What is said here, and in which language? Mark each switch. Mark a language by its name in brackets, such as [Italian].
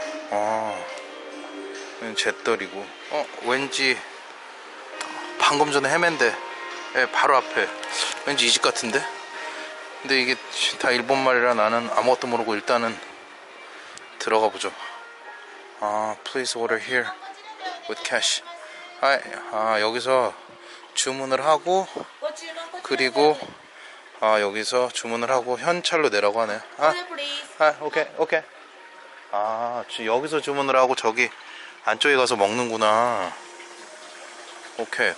[Korean] 아, 제떨이고. 어, 왠지 방금 전에 헤맨데 바로 앞에 왠지 이 집 같은데? 근데 이게 다 일본말이라 나는 아무것도 모르고 일단은 들어가 보죠. [English] 아, please order here with cash. [Korean] 아, 아, 여기서 주문을 하고 그리고 아, 여기서 주문을 하고 현찰로 내라고 하네요. 아, 아, 오케이, 오케이. 아, 여기서 주문을 하고 저기 안쪽에 가서 먹는구나. 오케이.